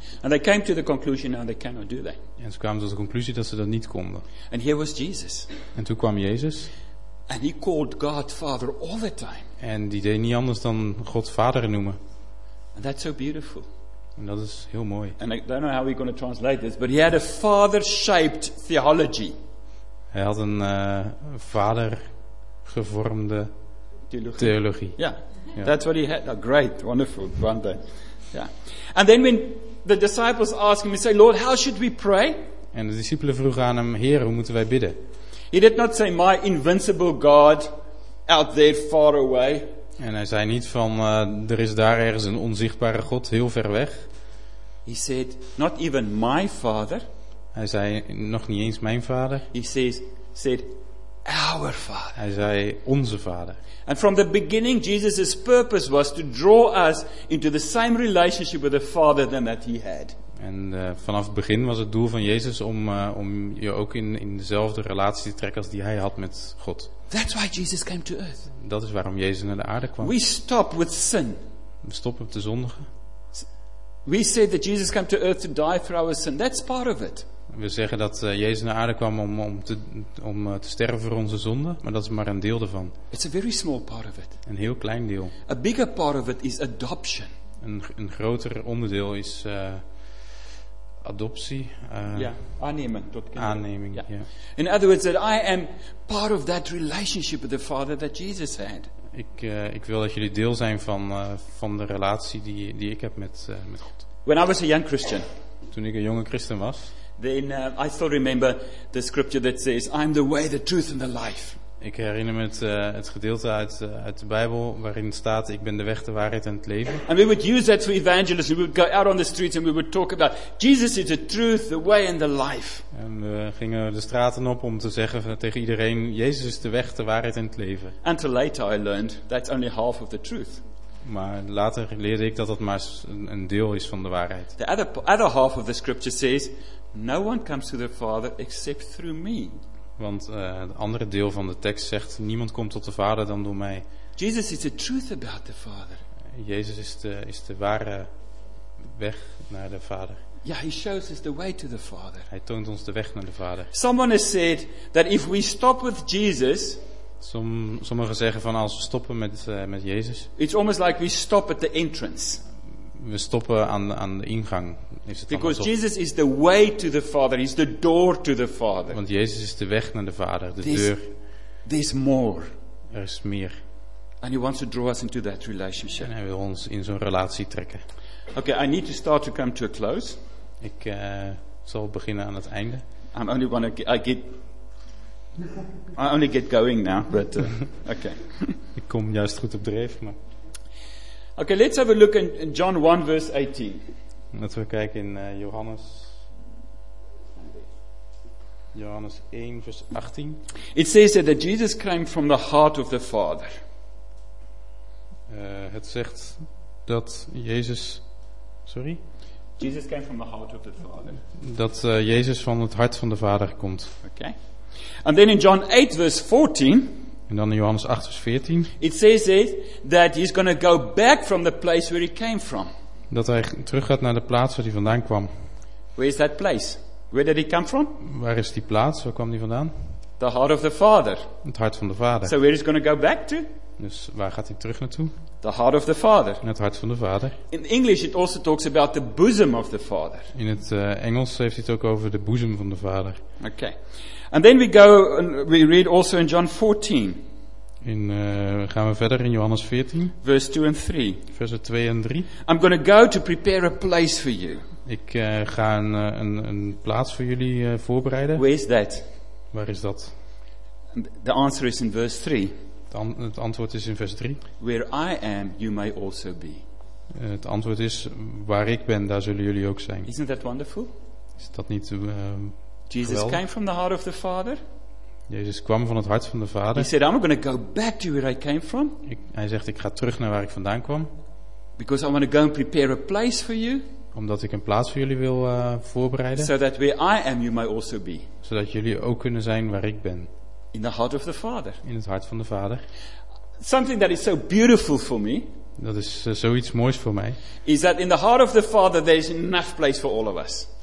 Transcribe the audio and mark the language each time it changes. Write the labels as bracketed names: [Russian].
[English] And they came to the conclusion that they cannot do that. [Dutch] En ze kwamen tot de conclusie dat ze dat niet konden. [English] And here was Jesus. [Dutch] En toen kwam Jezus. [English] And he called God Father all the time. [Dutch] En die deed niet anders dan God vader noemen. [English] And that's so beautiful. [Dutch] En dat is heel mooi. [English] And I don't know how we're going to translate this, but he had a father-shaped theology. [Dutch] Hij had een vader gevormde theologie. [English] Ja, yeah. That's what he had. Oh, great, wonderful, wonderful. Yeah. And then when the disciples asked him, he said, Lord, how should we pray? [Dutch] En de discipelen vroegen aan hem, Heer, hoe moeten wij bidden? [English] He did not say, my invincible God, out there far away. [Dutch] En hij zei niet van, er is daar ergens een onzichtbare God, heel ver weg. [English] He said, not even my father. [Dutch] Hij zei, nog niet eens mijn vader. [English] He said, our father. [Dutch] Hij zei, onze vader. [English] And from the beginning, Jesus' purpose was to draw us into the same relationship with the father than that he had. [Dutch] En vanaf het begin was het doel van Jezus om je ook in dezelfde relatie te trekken als die hij had met God. [English] That's why Jesus came to earth. [Dutch] Dat is waarom Jezus naar de aarde kwam. [English] We stop with sin. [Dutch] We stoppen te zondigen. [English] We said that Jesus came to earth to die for our sin. That's part of it. [Dutch] We zeggen dat Jezus naar aarde kwam om te sterven voor onze zonde, maar dat is maar een deel ervan. [English] It's a very small part of it. [Dutch] Een heel klein deel. [English] A bigger part of it is adoption. [Dutch] Een groter onderdeel is adoptie. Aanneming tot kinderen. [English] Aanneming. Yeah. Yeah. In other words, that I am part of that relationship with the Father that Jesus had. [Dutch] Ik wil dat jullie deel zijn van de relatie die ik heb met God. [English] When I was a young Christian. [Dutch] Toen ik een jonge christen was. [English] Then I still remember the scripture that says, "I'm the way, the truth, and the life." [Dutch] Ik herinner me het gedeelte uit de Bijbel waarin staat: ik ben de weg, de waarheid en het leven. [English] And we would use that for evangelism. We would go out on the streets and we would talk about Jesus is the truth, the way and the life. [Dutch] En we gingen de straten op om te zeggen tegen iedereen: Jezus is de weg, de waarheid en het leven. [English] Until later I learned that's only half of the truth. [Dutch] Maar later leerde ik dat maar een deel is van de waarheid. [English] The other half of the scripture says, no one comes to the Father except through me. [Dutch] Want het andere deel van de tekst zegt, niemand komt tot de Vader dan door mij. [English] Jesus is the truth about the Father. [Dutch] Jezus is de ware weg naar de Vader. [English] Yeah, he shows us the way to the Father. [Dutch] Hij toont ons de weg naar de Vader. [English] Someone has said that if we stop with Jesus. [Dutch] Sommigen zeggen van als we stoppen met Jezus. [English] It's almost like we stop at the entrance. [Dutch] We stoppen aan de ingang. Is het [English] because Jesus is the way to the Father, he's the door to the Father. [Dutch] Want Jezus is de weg naar de Vader, de deur. [English] There's more. [Dutch] Er is meer. [English] And he wants to draw us into that relationship. [Dutch] En hij wil ons in zo'n relatie trekken. [English] Okay, I need to start to come to a close. [Dutch] Ik zal beginnen aan het einde. [English] I'm only gonna I only get going now, but okay. [Dutch] Ik kom juist goed op dreef, maar. [English] Okay, let's have a look in John 1 verse 18. [Dutch] Laten we kijken in Johannes 1 vers 18. [English] It says that Jesus came from the heart of the Father. [Dutch] Het zegt dat Jezus, sorry. [English] Jesus came from the heart of the Father. [Dutch] Dat Jezus van het hart van de Vader komt. [English] Okay. And then in John 8 verse 14. [Dutch] En dan in Johannes 8 vers 14. [English] It says it that he's going to go back from the place where he came from. [Dutch] Dat hij terug gaat naar de plaats waar hij vandaan kwam. [English] Where is that place? Where did he come from? [Dutch] Waar is die plaats? Waar kwam hij vandaan? [English] The heart of the Father. [Dutch] Het hart van de Vader. [English] So where is he going to go back to? [Dutch] Dus waar gaat hij terug naartoe? [English] The heart of the Father. [Dutch] Het hart van de Vader. [English] In English it also talks about the bosom of the Father. [Dutch] In het Engels heeft hij het ook over de boezem van de Vader. [English] Okay. And then we go and we read also in John 14. [Dutch] In, gaan we verder in Johannes 14. [English] Verse 2 and 3. [Dutch] Versen 2 en 3. [English] I'm going to go to prepare a place for you. [Dutch] Ik ga een plaats voor jullie voorbereiden. [English] Where is that? [Dutch] Waar is dat? [English] The answer is in verse 3. [Dutch] Het antwoord is in vers 3. [English] Where I am, you may also be. [Dutch] Het antwoord is, waar ik ben, daar zullen jullie ook zijn. [English] Isn't that wonderful? [Dutch] Is dat niet [English] Jesus [Dutch] geweldig? [English] Came from the heart of the Father. [Dutch] Jezus kwam van het hart van de Vader. [English] He said, I'm going to go back to where I came from. [Dutch] Hij zegt, ik ga terug naar waar ik vandaan kwam. [English] Because I want to go and prepare a place for you. [Dutch] Omdat ik een plaats voor jullie wil voorbereiden. [English] So that where I am, you may also be. [Dutch] Zodat jullie ook kunnen zijn waar ik ben. [English] In the heart of the Father. [Dutch] In het hart van de Vader. [English] Something that is so beautiful for me. [Dutch] Dat is zoiets moois voor mij. [English] Is that in the heart of the Father there is enough place for all of us.